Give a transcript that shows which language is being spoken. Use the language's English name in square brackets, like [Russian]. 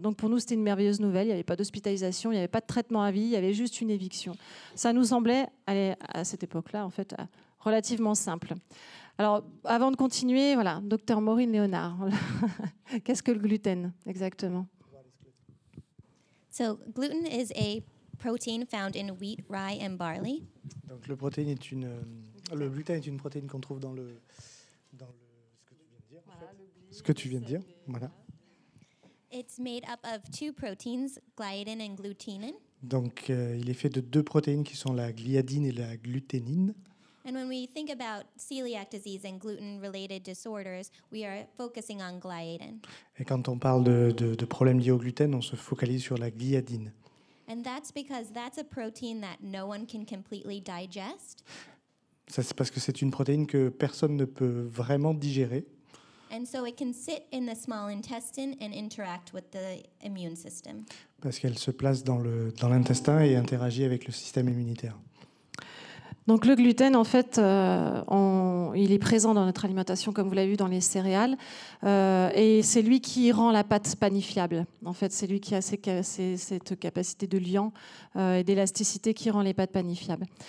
[French] Donc pour nous, c'était une merveilleuse nouvelle. Il n'y avait pas d'hospitalisation, il n'y avait pas de traitement à vie, il y avait juste une éviction. Ça nous semblait, à cette époque-là, en fait, relativement simple. Alors, avant de continuer, voilà, docteur Maureen Léonard, qu'est-ce que le gluten, exactement? [English] So, gluten is a protein found in wheat, rye and barley. [French] Donc, le gluten est une protéine qu'on trouve dans le ce que tu viens de dire. Voilà. [English] It's made up of two proteins, gliadin and glutenin. [French] Donc, il est fait de deux protéines qui sont la gliadine et la gluténine. [English] And when we think about celiac disease and gluten-related disorders, we are focusing on gliadin. [French] Et quand on parle de problèmes liés au gluten, on se focalise sur la gliadine. [English] And that's because that's a protein that no one can completely digest. [French] Ça, c'est parce que c'est une protéine que personne ne peut vraiment digérer. [English] And so it can sit in the small intestine and interact with the immune system. [French] Parce qu'elle se place dans l'intestin et interagit avec le système immunitaire. Donc le gluten, en fait, il est présent dans notre alimentation, comme vous l'avez vu, dans les céréales. Et c'est lui qui rend la pâte panifiable. En fait, c'est lui qui a cette capacité de liant et d'élasticité qui rend les pâtes panifiables.